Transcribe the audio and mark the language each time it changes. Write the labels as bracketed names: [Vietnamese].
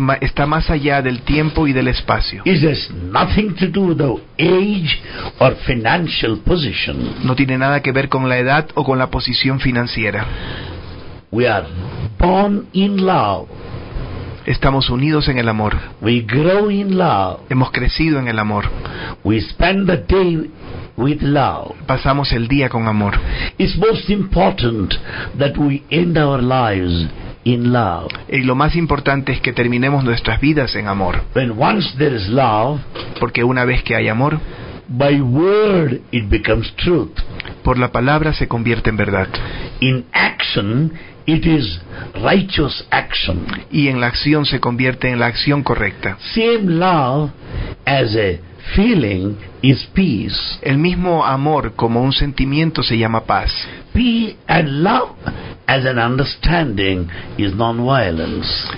[Spanish] Está más allá del tiempo y del espacio. [English] It has nothing to do with age or financial position. [Spanish] No tiene nada que ver con la edad o con la posición financiera. [English] We are born in love. [Spanish] Estamos unidos en el amor. [English] We grow in love. [Spanish] Hemos crecido en el amor. [English] We spend the day with love. [Spanish] Pasamos el día con amor. [English] It's most important that we end our lives in love. [Spanish] Y lo más importante es que terminemos nuestras vidas en amor. [English] When once there is love, [Spanish] porque una vez que hay amor, [English] by word it becomes truth. [Spanish] Por la palabra se convierte en verdad. [English] In action, it is righteous action. [Spanish] Y en la acción se convierte en la acción correcta. [English] Same love as a feeling is peace. [Spanish] El mismo amor como un sentimiento se llama paz. [English] Peace and love as an understanding is non-violence.